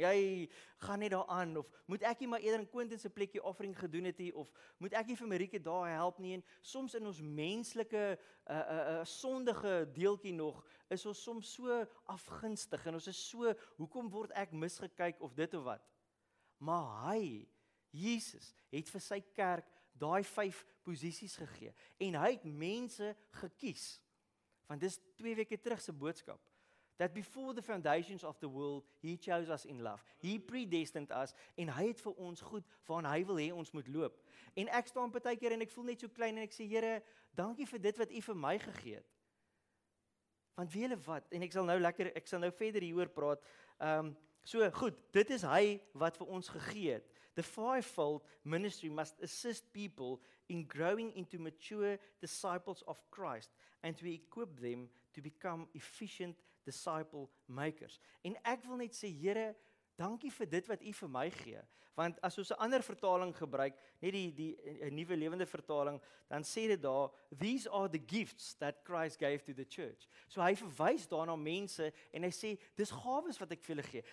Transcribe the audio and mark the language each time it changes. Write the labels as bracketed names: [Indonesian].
[Afrikaans] Jy gaan net daar aan of moet ek nie maar eerder in Quentin se plekkie offering gedoen het nie of moet ek nie vir Marieke daar help nie?" En soms in ons menslike sondige deeltjie nog is ons soms so afgunstig en ons is so, "Hoekom word ek misgekyk of dit of wat?" Maar hy, Jesus, het vir sy kerk daai 5 posisies gegee. En hy het mense gekies. Want dis 2 weke terug se boodskap. [English] That before the foundations of the world, he chose us in love. He predestined us. [Afrikaans] En hy het vir ons goed, waarin hy wil hê ons moet loop. En ek staan partykeer en ek voel net so klein en ek sê, "Here, dankie vir dit wat u vir my gegee het." Want weet julle wat? En ek sal nou lekker, ek sal nou verder hieroor praat. So goed, dit is hy wat vir ons gegee het. [English] The fivefold ministry must assist people in growing into mature disciples of Christ and to equip them to become efficient disciple makers. [Afrikaans] En ek wil net sê, Here, dankie vir dit wat u vir my gee. Want as ons 'n ander vertaling gebruik, net die 'n nuwe lewende vertaling, dan sê dit daar, [English] "These are the gifts that Christ gave to the church." [Afrikaans] So hy verwys daarna mense en hy sê, "Dis gawes wat ek vir julle gee.